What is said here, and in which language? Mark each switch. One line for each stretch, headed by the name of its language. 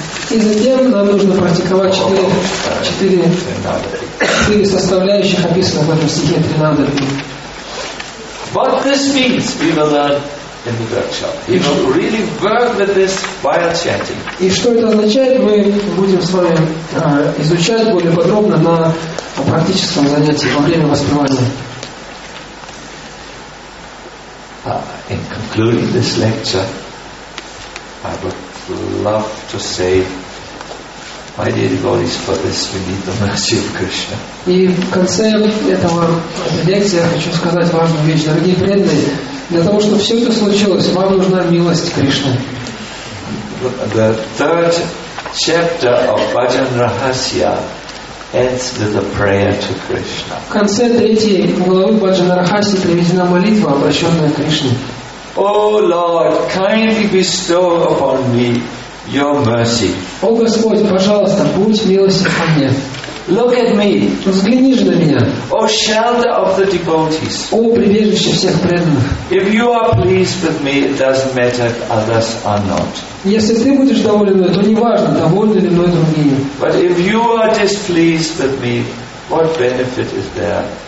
Russian: И затем нам нужно практиковать четыре составляющих, описанных в этом стихе Тринадарби.
English: What this means, we will learn in the workshop. We will really work with this while chanting.
Russian: И что это означает, мы будем с вами изучать более подробно на практическом занятии во время воспевания.
English: In concluding this lecture, I would love to say, my dear devotees, for this we need the mercy of Krishna.
Russian: И в конце этого лекции я хочу сказать важную вещь, дорогие преданные. Для того, чтобы все это случилось, вам нужна милость Кришны.
English: The third chapter of Bhajan Rahasya ends with a prayer to Krishna.
Russian: В конце третьей главы Bhajan Rahasya приведена молитва, обращенная к Кришне.
English: O Lord, kindly bestow upon me your mercy.
Russian: О Господь, пожалуйста, будь милостив ко мне.
English: Look at me.
Russian: Взгляни же на меня.
English: O shelter of the devotees.
Russian: О прибежище всех преданных.
English: If you are pleased with me, it doesn't matter if others are not.
Russian: Если ты будешь доволен, то не важно, довольны ли мной другие.
English: But if you are displeased with me, what benefit is there?